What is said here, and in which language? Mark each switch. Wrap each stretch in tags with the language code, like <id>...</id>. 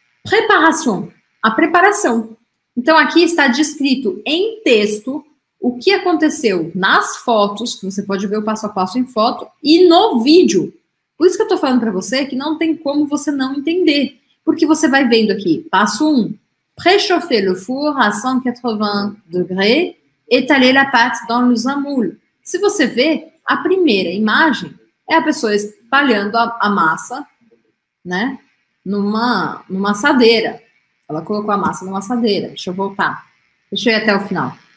<pt>Preparação, a preparação. Então, aqui está descrito em texto o que aconteceu nas fotos, que você pode ver o passo a passo em foto, e no vídeo. Por isso que eu estou falando para você que não tem como você não entender. Porque você vai vendo aqui, passo 1.</pt> <fr>Préchauffer le four à 180 degrés, étaler la pâte dans le moule.</fr> <pt>Se você vê, a primeira imagem é a pessoa espalhando a massa, né, numa assadeira. Ela colocou a massa numa assadeira. Deixa eu voltar. Deixa eu ir até o final.</pt>